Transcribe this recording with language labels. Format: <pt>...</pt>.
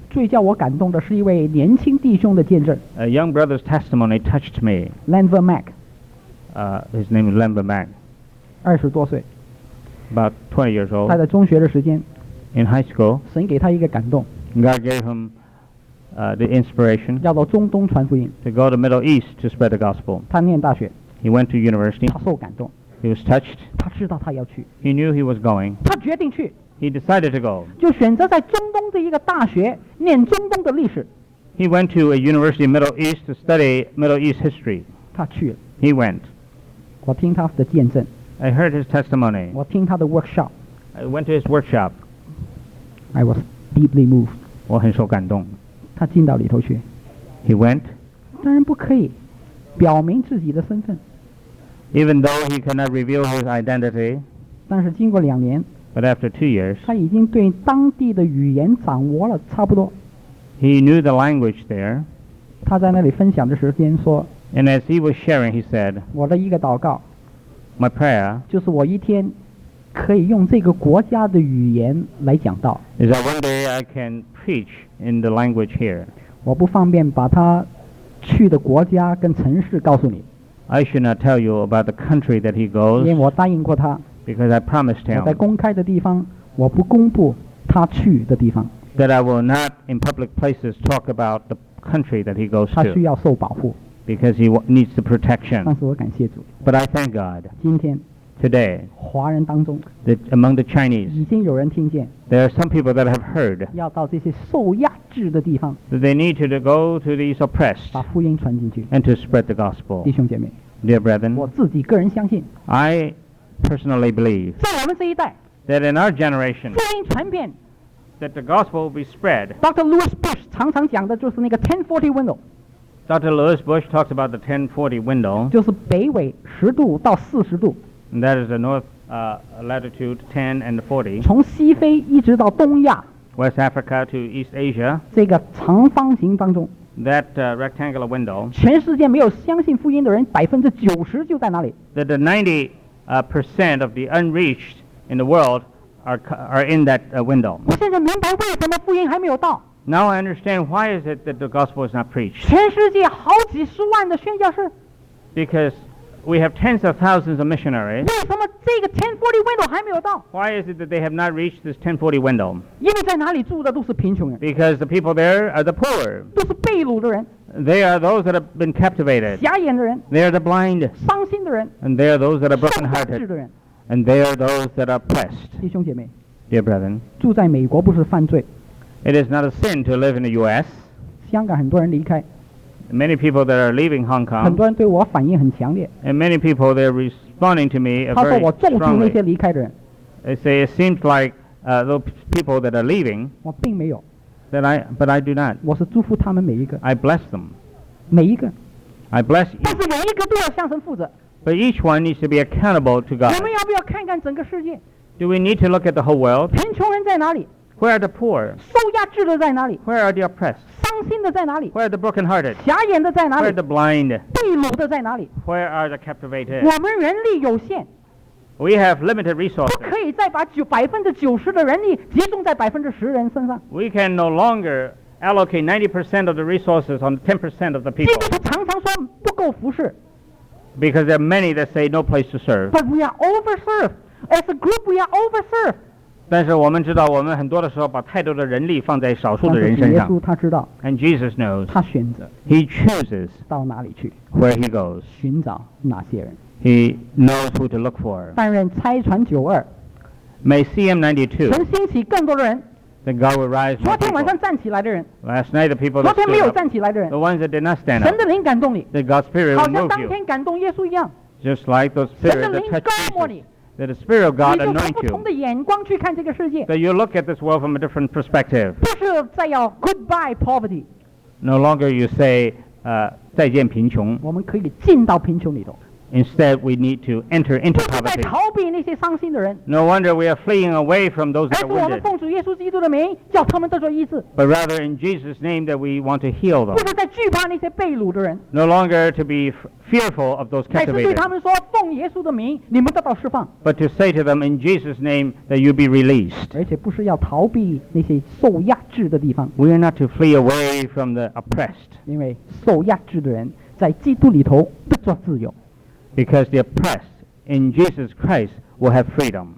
<zh>最叫我感动的是一位年轻弟兄的见证。</zh> <en>A young brother's testimony touched me. Lanver Mack. His name is Lanver Mack.</en> <zh>二十多岁。</zh> <en>About 20 years old.</en> <zh>他在中学的时间。</zh> <en>In high school.</en> <zh>神给他一个感动。</zh> <en>God gave him the inspiration.</en> <zh>要到中东传福音。</zh> <en>To go to Middle East to spread the gospel.</en> <zh>他念大学。</zh> <en>He went to university.</en> <zh>他受感动。</zh> <en>He was touched.</en> <zh>他知道他要去。</zh> <en>He knew he was going.</en> <zh>他决定去。</zh> <en>He decided to go.</en> <zh>就选择在中东的一个大学念中东的历史。</zh> <en>He went to a university in Middle East to study Middle East history.</en> <zh>他去了。</zh> <en>He went.</en> <zh>我听他的见证。</zh> <en>I heard his testimony.</en> <zh>我听他的 workshop.</zh> <en>I went to his workshop. I was deeply moved.</en> <zh>我很受感动。他进到里头去。</zh> <en>He went.</en> <zh>当然不可以，表明自己的身份。</zh> <en>Even though he cannot reveal his identity,</en> <zh>但是经过两年,</zh> <en>but after 2 years,</en> <zh>他已经对当地的语言掌握了差不多。</zh> <en>He knew the language there.</en> <zh>他在那里分享的时间说,</zh> <en>and as he was sharing, he said,</en> <zh>我的一个祷告,</zh> <en>my prayer,</en> <zh>就是我一天可以用这个国家的语言来讲道,</zh> <en>is that one day I can preach in the language here.</en> <zh>我不方便把他去的国家跟城市告诉你。</zh> <en>I should not tell you about the country that he goes.</en> <zh>因为我答应过他。</zh> <en>Because I promised him.</en> <zh>我在公开的地方，我不公布他去的地方。</zh> <en>That I will not in public places talk about the country that he goes to.</en> <zh>他需要受保护。</zh> <en>Because he needs the protection.</en> <zh>但是我感谢主。</zh> <en>But I thank God.</en> <zh>今天。</zh> <en>Today.</en> <zh>华人当中。</zh> <en>Among the Chinese.</en> <zh>已经有人听见。</zh> <en>There are some people that have heard.</en> <zh>要到这些受压制的地方。</zh> <en>They need to go to these oppressed.</en> <zh>把福音传进去。</zh> <en>And to spread the gospel.</en> <zh>弟兄姐妹。</zh> <en>Dear brethren.</en> <zh>我自己个人相信。</zh> <en>I personally believe.</en> <zh>在我们这一代。</zh> <en>That in our generation.</en> <zh>福音传遍。</zh> <en>That the gospel will be spread. Dr.</en> <zh>Louis Bush 常常讲的就是那个1040 window.</zh> <en>Dr. Louis Bush talks about the 1040 window.</en> <zh>就是北纬十度到四十度。</zh> <en>And that is the north latitude 10 and 40.</en> <zh>从西非一直到东亚。</zh> <en>West Africa to East Asia.</en> <zh>这个长方形当中。</zh> <en>That rectangular window.</en> <zh>全世界没有相信福音的人 90% 就在那里。</zh> <en>That the 90% of the unreached in the world are in that window.</en> <zh>我现在明白为什么福音还没有到。</zh> <en>Now I understand why is it that the gospel is not preached.</en> <zh>全世界好几十万的宣教士。</zh> <en>Because we have tens of thousands of missionaries.</en> <zh>为什么这个1040 window 还没有到？</zh> <en>Why is it that they have not reached this 1040 window?</en> <zh>因为在哪里住的都是贫穷人。</zh> <en>Because the people there are the poor.</en> <zh>都是被掳的人。</zh> <en>They are those that have been captivated.</en> <zh>瞎眼的人。</zh> <en>They are the blind.</en> <zh>伤心的人。</zh> <en>And they are those that are brokenhearted.</en> <zh>受压制的人。</zh> <en>And they are those that are oppressed.</en> <zh>弟兄姐妹。</zh> <en>Dear brethren.</en> <zh>住在美国不是犯罪。</zh> <en>It is not a sin to live in the U.S.</en> <zh>香港很多人离开。</zh> <en>Many people that are leaving Hong Kong.</en> <zh>很多人对我反应很强烈。</zh> <en>And many people they're responding to me very strongly.</en> <zh>他说我咒诅那些离开的人。</zh> <en>They say it seems like those people that are leaving.</en> <zh>我并没有。</zh> <en>That I, but I do not.</en> <zh>我是祝福他们每一个。</zh> <en>I bless them.</en> <zh>每一个。</zh> <en>I bless.</en> <zh>但是每一个都要向神负责。</zh> <en>But each one needs to be accountable to God.</en> <zh>我们要不要看看整个世界？</zh> <en>Do we need to look at the whole world?</en> <zh>贫穷人在哪里？</zh> <en>Where are the poor?</en> <zh>受压制的在哪里?</zh> <en>Where are the oppressed?</en> <zh>伤心的在哪里?</zh> <en>Where are the brokenhearted?</en> <zh>瞎眼的在哪里?</zh> <en>Where are the blind?</en> <zh>被掳的在哪里?</zh> <en>Where are the captivated?</en> <zh>我们人力有限。</zh> <en>We have limited resources.</en> <zh>不可以再把90%的人力集中在10%人身上。</zh> <en>We can no longer allocate 90% of the resources on 10% of the people.</en> <zh>基督徒常常说不够服侍。</zh> <en>Because there are many that say no place to serve. But we are overserved. As a group, we are overserved.</en> <zh>但是我们知道我们很多的时候把太多的人力放在少数的人身上。但是耶稣他知道。</zh> <en>And Jesus knows.</en> <zh>他选择。</zh> <en>He chooses.</en> <zh>到哪里去。</zh> <en>Where he goes.</en> <zh>寻找哪些人。</zh> <en>He knows who to look for.</en> <zh>但愿拆船九二。</zh> <en>May CM92.</en> <zh>神兴起更多的人。</zh> <en>Then God will rise more people.</en> <zh>昨天晚上站起来的人。</zh> <en>Last night the people that stood up.</en> <zh>昨天没有站起来的人。</zh> <en>The ones that did not stand up.</en> <zh>神的灵感动你。</zh> <en>That God's spirit will move you.</en> <zh>好像当天感动耶稣一样。</zh> <en>Just like those spirits that touched Jesus.</en> <zh>神的灵高摸你。</zh> <en>That the Spirit of God anoint you.</en> <zh>你就用不同的眼光去看这个世界。</zh> <en>That you look at this world from a different perspective.</en> <zh>不是再要</zh> <en>goodbye poverty. No longer you say,</en> <zh>再见贫穷。我们可以进到贫穷里头。</zh> <en>Instead, we need to enter into poverty.</en> <zh>不是在逃避那些伤心的人。</zh> <en>No wonder we are fleeing away from those that are wounded.</en> <zh>而是我们奉主耶稣基督的名，叫他们得着医治。</zh> <en>But rather in Jesus' name that we want to heal them.</en> <zh>不是在惧怕那些被掳的人。</zh> <en>No longer to be fearful of those captivated.</en> <zh>乃是对他们说，奉耶稣的名，你们得到释放。</zh> <en>But to say to them in Jesus' name that you be released.</en> <zh>而且不是要逃避那些受压制的地方。</zh> <en>We are not to flee away from the oppressed.</en> <zh>因为受压制的人在基督里头得着自由。</zh> <en>Because the oppressed in Jesus Christ will have freedom.</en>